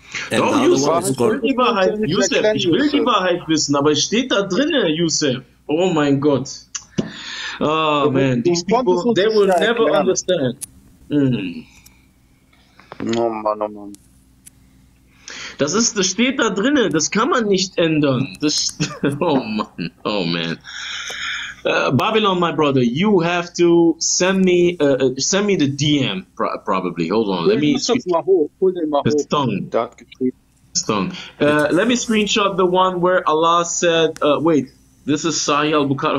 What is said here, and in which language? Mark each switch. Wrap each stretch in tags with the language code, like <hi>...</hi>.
<de>Doch, Yusuf, ich will die Wahrheit, Yusuf, ich will die Wahrheit wissen, aber es steht da drinnen, Yusuf. Oh mein Gott.</de> <en>Oh man, these people, they will never understand. No man.</en> <de>Das steht da drinnen, das kann man nicht ändern.</de> <en>Oh man. Babylon, my brother, you have to send me the DM probably. Hold on, let me stone. Let me screenshot the one where Allah said. Wait, this is Sahih al-Bukhari.</en>